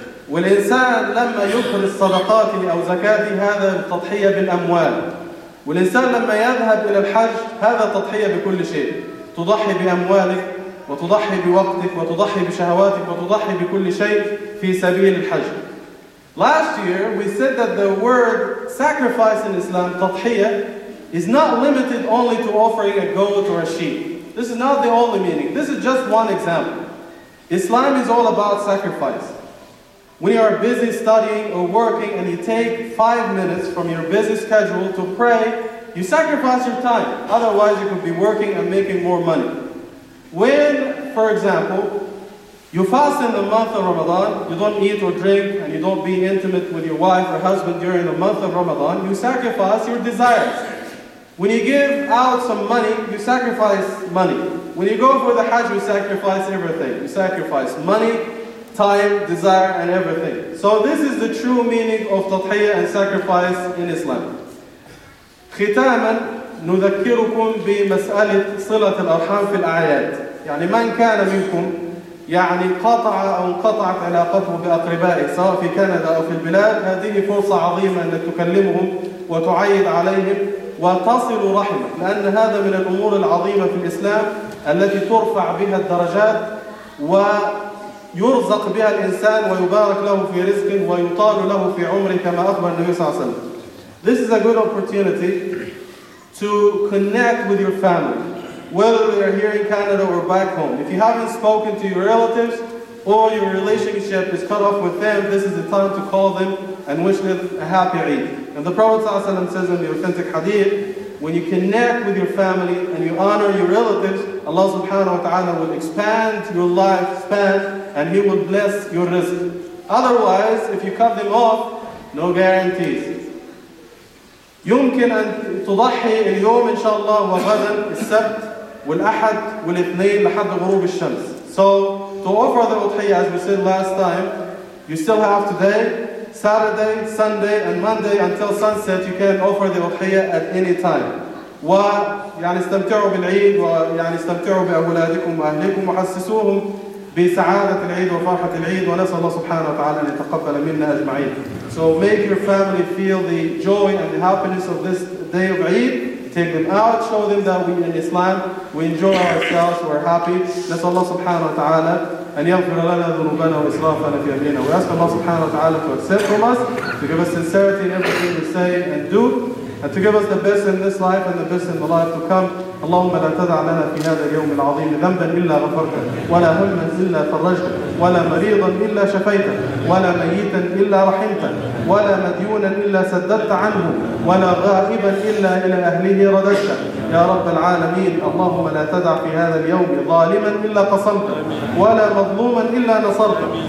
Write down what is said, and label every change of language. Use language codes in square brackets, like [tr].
[ar] والإنسان لما يخرج صدقاته أو زكاته، هذا تضحية بالأموال. والإنسان لما يذهب إلى الحج، هذا تضحية بكل شيء. تضحي بأموالك وتضحي بوقتك وتضحي بشهواتك وتضحي بكل شيء في سبيل الحج. [en] Last year, we said that the word sacrifice in Islam, tadhiya, is not limited only to offering a goat or a sheep. This is not the only meaning. This is just one example. Islam is all about sacrifice. When you are busy studying or working and you take 5 minutes from your busy schedule to pray, you sacrifice your time. Otherwise, you could be working and making more money. When, for example, you fast in the month of Ramadan, you don't eat or drink, and you don't be intimate with your wife or husband during the month of Ramadan, you sacrifice your desires. When you give out some money, you sacrifice money. When you go for the Hajj, you sacrifice everything. You sacrifice money, time, desire, and everything. So this is the true meaning of tadhiya and sacrifice in Islam. [ar] Khitaman, نذكركم بمسألة صلة الأرحام في الأعياد. يعني من كان منكم يعني قطع أو انقطعت علاقته بأقربائه سواء في كندا أو في البلاد، هذه فرصة عظيمة أن تكلمهم وتعيد عليهم وتصل رحمه، لأن هذا من الأمور العظيمة في الإسلام التي ترفع بها الدرجات ويرزق بها الإنسان ويبارك له في رزق ويطال له في عمره كما أخبر النبي صلى الله عليه وسلم. [en] This is a good opportunity to connect with your family, whether they are here in Canada or back home. If you haven't spoken to your relatives or your relationship is cut off with them, this is the time to call them and wish them a happy Eid. And the Prophet ﷺ says in the authentic hadith, when you connect with your family and you honor your relatives, Allah subhanahu wa ta'ala will expand your life span and He will bless your rizq. Otherwise, if you cut them off, no guarantees. [ar] يمكن أن تضحي اليوم إن شاء الله وغدا السبت والأحد والاثنين لحد غروب الشمس. [en] So to offer the udhiyya, as we said last time, you still have today, Saturday, Sunday, and Monday until sunset. You can offer the udhiyya at any time. [ar] و يعني استمتعوا بالعيد و يعني استمتعوا بأولادكم وأهلكم وحسسوهم بسعادة العيد وفرحة العيد ونسأل الله سبحانه وتعالى أن يتقبل منا أجمعين. [en] So make your family feel the joy and the happiness of this day of Eid. Take them out, show them that we in Islam, we enjoy ourselves, we're happy. [ar] نسأل الله سبحانه وتعالى أن يغفر لنا ذنوبنا وإسرافنا في أمرنا. [en] We ask Allah سبحانه وتعالى to accept from us, to give us sincerity in everything we say and do, and to give us the best in this life and the best in the life to come. [ar] اللهم لا تدع لنا في هذا اليوم العظيم ذنبا إلا غفرته، ولا هما إلا فرجته، ولا مريضا إلا شفيته، ولا ميتا إلا رحمته، ولا مديونا إلا سددت عنه، ولا غائبا إلا إلى أهله رددته. يا رب العالمين، اللهم لا تدع في هذا اليوم ظالما إلا قصمته، ولا مظلوما إلا نصرته.